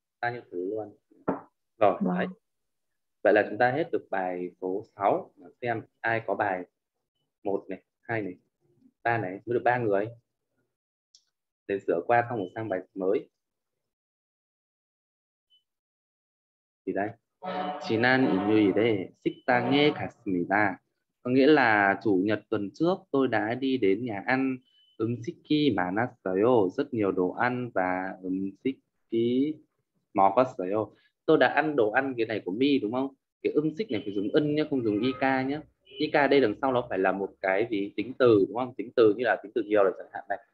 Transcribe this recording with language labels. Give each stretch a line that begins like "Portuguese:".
Vietnamese: Ta như thử luôn. Rồi, wow. Đấy. Vậy là chúng ta hết được bài số 6. Xem ai có bài 1 này, 2 này, 3 này. Mới được 3 người. Để sửa qua xong sang bài mới. gì đây?
Korean: 지난 일요일에 식당에 갔습니다.
Vietnamese: Có nghĩa là chủ nhật tuần trước tôi đã đi đến nhà ăn
Korean: 음식이 많았어요.
Vietnamese: Rất nhiều đồ ăn và
Korean: 음식이 먹었어요.
Vietnamese: Tôi đã ăn đồ ăn cái này của mi đúng không? Cái 음식 này phải dùng 은 nhé, không dùng ik nhé. Ik đây đằng sau nó phải là một cái gì tính từ đúng không? Tính từ như là tính từ nhiều là chẳng hạn này.